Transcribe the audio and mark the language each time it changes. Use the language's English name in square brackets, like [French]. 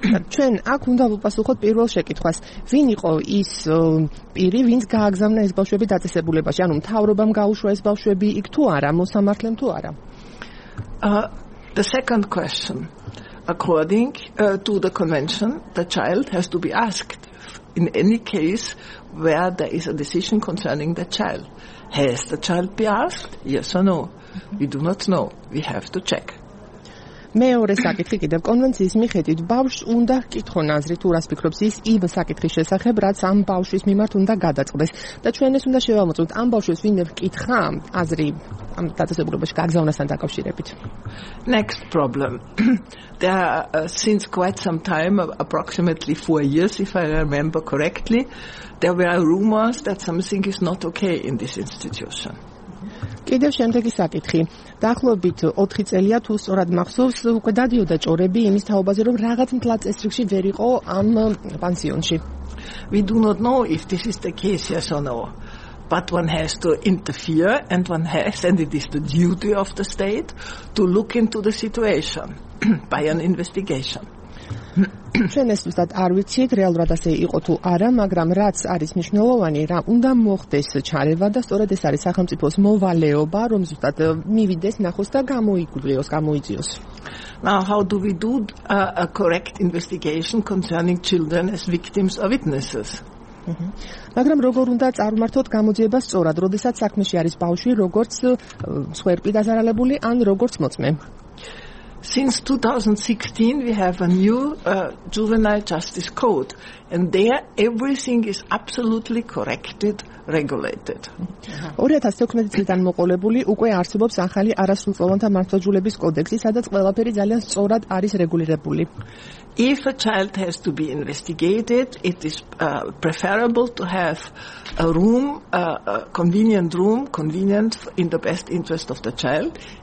[Georgian] ჩვენ აქ უნდა ვუპასუხოთ პირველ შეკითხვას. ვინ იყო ის პირი, ვინც გააგზავნა ეს ბავშვები დაწესებულებაში? ანუ მთავრობამ გაუშვა ეს ბავშვები იქ თუ არა, მოსამართლემ თუ არა? [English] The second question, according to the convention, the child has to be asked in any case where there is a decision concerning the child. Has the child been asked? Yes or no? We do not know. We have to check. [Georgian] მეორე საკითხი კიდევ კონვენციის მიხედვით ბავშვს უნდა ჰკითხონ აზრი თუ რას ფიქრობს ის იმ საკითხის შესახებ რაც ამ ბავშვის მიმართ უნდა გადაწყდეს და ჩვენ ეს უნდა შევამოწმოთ ამ ბავშვის ვინმე ჰკითხა აზრი ამ დაწესებულებაში გაგზავნასთან დაკავშირებით [English] Next problem there since quite some time approximately 4 years if I remember correctly there were rumors that something is not okay in this institution [Georgian] კიდევ შემდეგი საკითხი. დაახლოებით 4 წელია თუ სწორად მახსოვს, უკვე დადიოდა ჭორები იმის თაობაზე, რომ რაღაც მთლად წესრიგში ვერ იყო ამ პანსიონში. [English] We do not know if this is the case yes or no. But one has to interfere and one has, and it is the duty of the state to look into the situation by an investigation. [Georgian] ჩვენ ეს უბრალოდ არ ვიცით რეალურად ასე იყო თუ არა, მაგრამ რაც არის მნიშვნელოვანი, რა უნდა მოხდეს ჩარევა და სწორედ ეს არის სახელმწიფოს მოვალეობა, რომ ზუსტად მივიდეს, ნახოს და გამოიგვლიოს, გამოიძიოს. [English] Now how do we do a correct investigation concerning children as victims or witnesses? [Georgian] მაგრამ როგორ უნდა წარმართოთ გამოძიება სწორად, როდესაც საქმეში არის ბავშვი, როგორც სხვერპი დაზარალებული ან როგორც მოწმე? [English] Since 2016 we have a new juvenile justice code and there everything is absolutely corrected regulated. [Georgian] 2016 წლიდან მოყოლებული უკვე არსებობს ახალი არასრულწლოვანთა მართლმსაჯულების კოდექსი, სადაც ყველაფერი ძალიან სწორად არის რეგულირებული. [English] If a child has to be investigated, it is preferable to have a room, a convenient room, convenient in the best interest of the child.